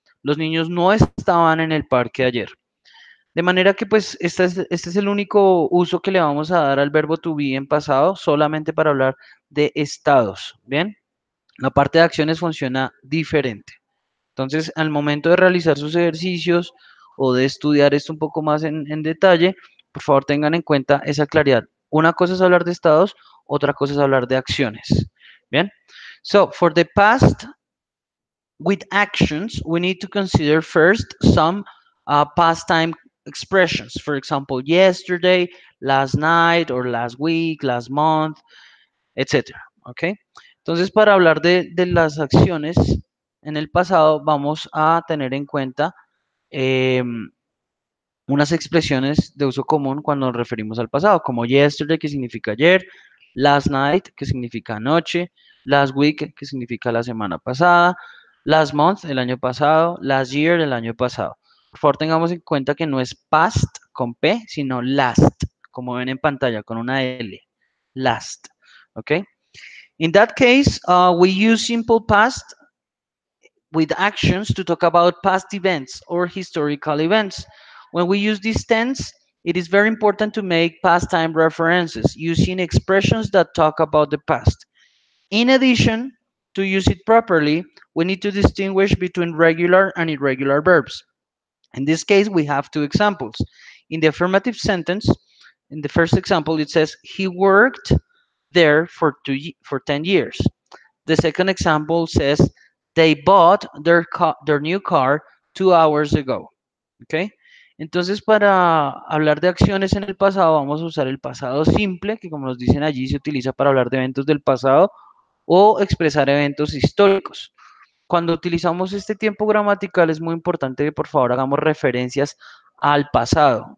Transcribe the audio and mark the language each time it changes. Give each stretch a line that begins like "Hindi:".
Spanish: Los niños no estaban en el parque ayer. De manera que, pues, este es el único uso que le vamos a dar al verbo to be en pasado, solamente para hablar de estados, ¿bien? La parte de acciones funciona diferente. Entonces, al momento de realizar sus ejercicios o de estudiar esto un poco más en detalle, por favor tengan en cuenta esa claridad. Una cosa es hablar de estados, otra cosa es hablar de acciones, ¿bien?
English: So, for the past, with actions, we need to consider first some pastime expressions. For example, yesterday, last night, or last week, last month, etc. Okay?
Spanish: Entonces, para hablar de las acciones en el pasado, vamos a tener en cuenta unas expresiones de uso común cuando nos referimos al pasado, como yesterday, que significa ayer, last night, que significa anoche, last week, que significa la semana pasada, last month, el año pasado, last year, el año pasado. Por favor, tengamos en cuenta que no es past con P, sino last, como ven en pantalla, con una L, last, okay?
English: In that case, we use simple past with actions to talk about past events or historical events. When we use this tense, it is very important to make past time references using expressions that talk about the past. In addition, to use it properly, we need to distinguish between regular and irregular verbs. In this case, we have two examples. In the affirmative sentence, in the first example, it says, he worked there for 10 years. The second example says, they bought their new car 2 hours ago. Okay?
Spanish: Entonces, para hablar de acciones en el pasado, vamos a usar el pasado simple, que como nos dicen allí, se utiliza para hablar de eventos del pasado o expresar eventos históricos. Cuando utilizamos este tiempo gramatical, es muy importante que, por favor, hagamos referencias al pasado.